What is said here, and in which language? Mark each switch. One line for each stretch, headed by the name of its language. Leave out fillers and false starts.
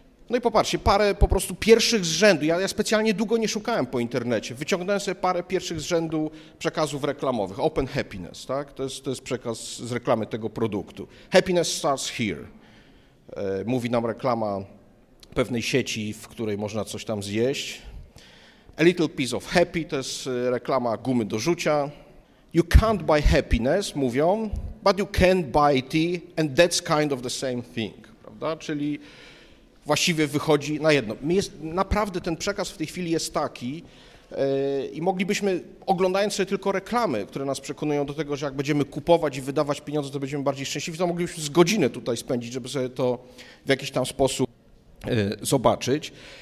Polish: No i popatrzcie, parę po prostu pierwszych z rzędu, ja specjalnie długo nie szukałem po internecie, wyciągnąłem sobie parę pierwszych z rzędu przekazów reklamowych,
English: Open Happiness,
Polish: tak? To jest przekaz z reklamy tego produktu.
English: Happiness starts here,
Polish: mówi nam reklama pewnej sieci, w której można coś tam zjeść.
English: A little piece of happy,
Polish: to jest reklama gumy do rzucia.
English: You can't buy happiness,
Polish: mówią,
English: but you can buy tea and that's kind of the same thing,
Polish: prawda? Czyli właściwie wychodzi na jedno. Naprawdę ten przekaz w tej chwili jest taki i moglibyśmy, oglądając sobie tylko reklamy, które nas przekonują do tego, że jak będziemy kupować i wydawać pieniądze, to będziemy bardziej szczęśliwi, to moglibyśmy z godzinę tutaj spędzić, żeby sobie to w jakiś tam sposób zobaczyć.